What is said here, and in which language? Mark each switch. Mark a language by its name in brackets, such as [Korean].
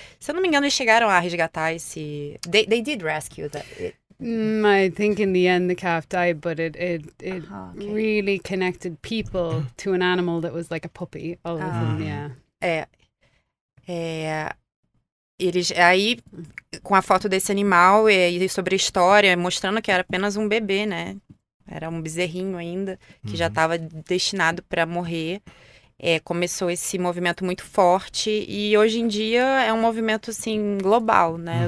[Portuguese] Se eu não me engano, eles chegaram a resgatar esse... [English] They did rescue that. I think in the end the calf died, but it okay. Really connected people to an animal that was like a puppy. All of them, yeah. [Portuguese] Eles, aí, com a foto desse animal e sobre a história, mostrando que era apenas um bebê, né? Era um bezerrinho ainda, que já estava destinado para morrer. Começou esse movimento muito forte e hoje em dia é um movimento assim global, né?